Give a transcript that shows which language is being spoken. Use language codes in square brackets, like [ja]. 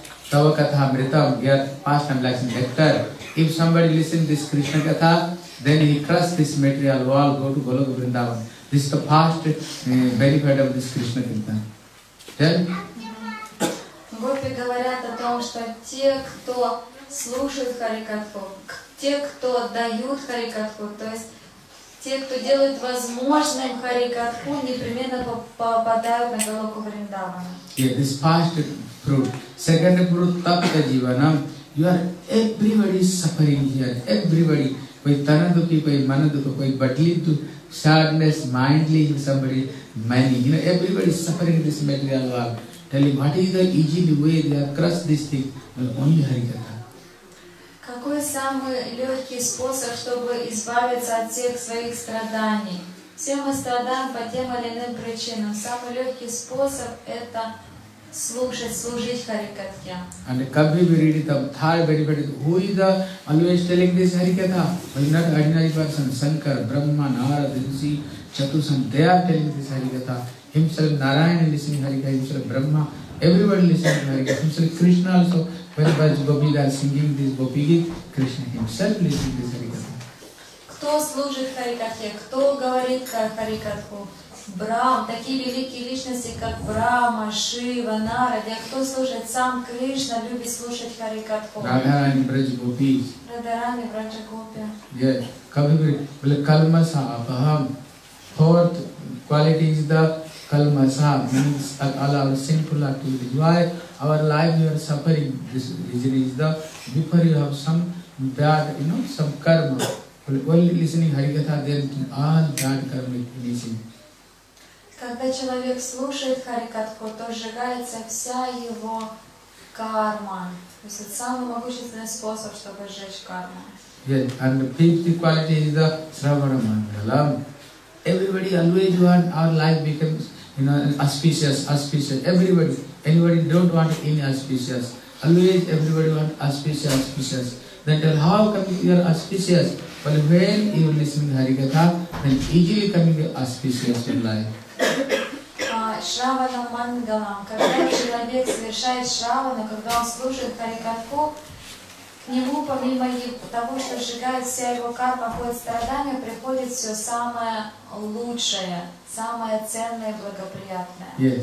[sa] Tava Katha Amritam, [en] here past time like nectar. If somebody listens this Krishna Katha, then he crush this material wall, go to Goloka Vrindavan. This is the past benefit of this Krishna Katha. Then? [ru] Гопи говорят о том, что те, кто слушают Харикатху, те, кто дают Харикатху, то есть те, кто делают возможным Харикатху, непременно попадают на Голоку Вриндаван. [en] Yeah, this past fruit. Second fruit, tapta jivanam. You are, everybody is suffering here. Everybody. [hi] Koi tanaduki, koi manaduki, koi batlitu, [en] sadness, mindly, somebody, many. You know, everybody is suffering this material world. Tell him, what is the easy way they have crushed this thing? Well, only Harikatha. [ru] Какой самый легкий способ, чтобы избавиться от всех своих страданий? Все мы страдаем по тем или иным причинам. Самый легкий способ – это служить Харикатхе. [en] And Kabhi Viridita, third benefit, who is the always telling this Harikatha? Why not ordinary person? Sankar, Brahma, Nara, Dinsi, Chatusam, they are telling this Harikatha. Himself Narayana listening Harikatha, himself Brahma, everybody listening Harikatha, himself Krishna also, whereby Gopi are singing this Gopi Gita, Krishna himself listening this Harikatha. [ru] Кто служит Харикатхе? Кто говорит Харикатху? Брахма, такие великие личности, как Брахма, Шива, Нарада, кто служит сам Кришна, любит слушать Харикатху. Радхарани, Брадж Гопи. Радхарани, Брадж Гопи. [sa] Yes. Кабхи, well, Калмаса, Апахам. [en] Fourth quality is the Калмаса, means all our sinful activities. Why our life you are suffering? This reason is the, before you have some bad, you know, some karma. Well, listening Harikatha, then all bad karma is finishing. [ru] Когда человек слушает Харикатху, то сжигается вся его карма. То есть это самый могущественный способ, чтобы сжечь карму. [en] Yes, and the fifth quality is the Sravana Mangalam. Everybody always want our life becomes, you know, auspicious, auspicious. Everybody, Anybody don't want any auspicious. Always everybody want auspicious, auspicious. Then tell how come you are auspicious? But when you are listening to Harikatha, then easily coming auspicious in life. [sa] Шравана Мангалам. [ru] Когда человек совершает шравану, когда он служит Харикатху, к нему, помимо того, что сжигает вся его карма, ходит страдания, приходит все самое лучшее, самое ценное и благоприятное.